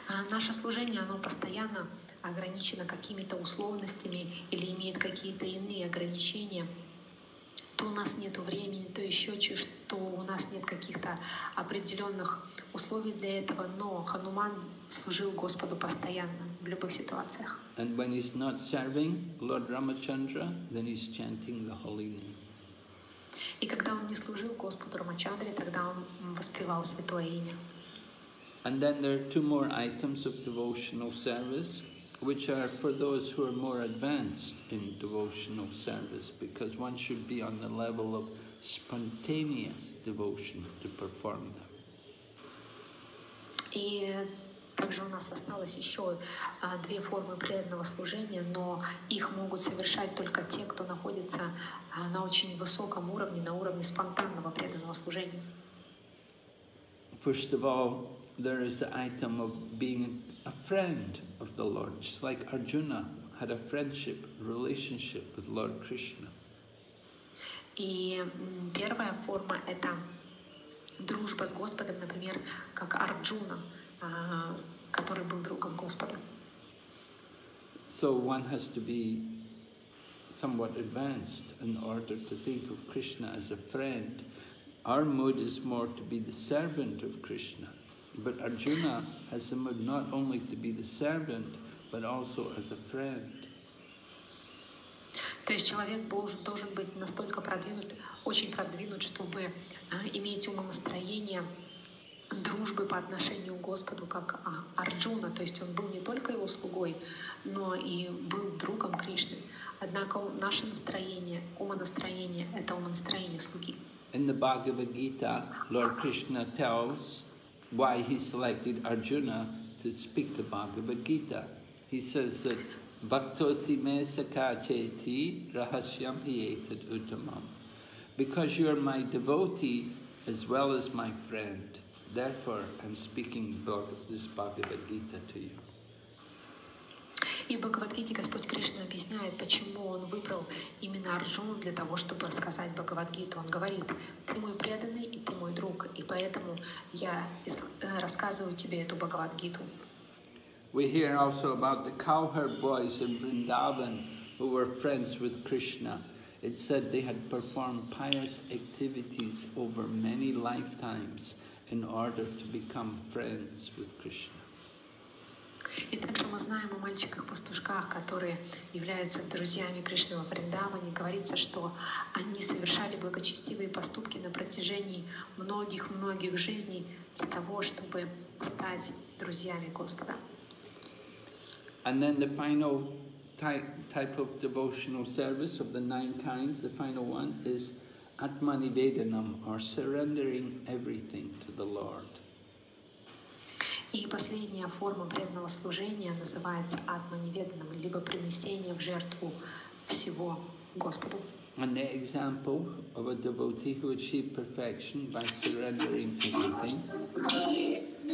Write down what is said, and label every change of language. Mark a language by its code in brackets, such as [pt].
[ru] Наше служение, оно постоянно ограничено какими-то условностями или имеет какие-то иные ограничения. То у нас нету времени, то еще что у нас нет каких-то определенных условий для этого, но Хануман служил Господу постоянно в любых ситуациях. [en] And when he's not serving Lord Ramachandra, then he's chanting the holy name. [ru] И когда он не служил Господу Рамачандре, тогда он воспевал святое имя. [en] And then there are two more items of devotional service, which are for those who are more advanced in devotional service, because one should be on the level of spontaneous devotion to perform them. [ru] И также у нас осталось еще две формы преданного служения, но их могут совершать только те, кто находится на очень высоком уровне, на уровне спонтанного преданного служения. [en] First of all, there is the item of being a friend of the Lord, just like Arjuna had a friendship relationship with Lord Krishna. [ru] И первая форма – это дружба с Господом, например, как Арджуна, который был другом Господа. [en] So one has to be somewhat advanced in order to think of Krishna as a friend. Our mood is more to be the servant of Krishna, but Arjuna has the mood not only to be the servant, but also as a friend. [ru] То есть человек должен быть настолько продвинут, очень продвинут, чтобы иметь умонастроение дружбы по отношению к Господу, как Арджуна. То есть он был не только его слугой, но и был другом Кришны. Однако наше настроение, умонастроение, это умонастроение слуги. [en] In the Bhagavad Gita, Lord Krishna tells why he selected Arjuna to speak the Bhagavad Gita. He says that [sa] Bhaktosi me sakha cheti rahasyam hiyetad uttamam. [en] Because you are my devotee as well as my friend, therefore I'm speaking this Bhagavad Gita to you. [ru] И в Бхагавад-гите Господь Кришна объясняет, почему Он выбрал именно Арджуну для того, чтобы рассказать Бхагавад-гиту. Он говорит, ты мой преданный и ты мой друг, и поэтому я рассказываю тебе эту Бхагавад-гиту. [en] We hear also about the cowherd boys in Vrindavan who were friends with Krishna. It said they had performed pious activities over many lifetimes in order to become friends with Krishna. [ru] И также мы знаем о мальчиках-пастушках, которые являются друзьями Кришны во Вриндаване. Говорится, что они совершали благочестивые поступки на протяжении многих-многих жизней для того, чтобы стать друзьями Господа. [en] And then the final type of devotional service of the nine kinds, the final one, is Atmanivedanam, or surrendering everything to the Lord. [ru] И последняя форма преданного служения называется Атманиведанам, либо принесение в жертву всего Господу. [en] And the example of a devotee who achieved perfection by surrendering everything.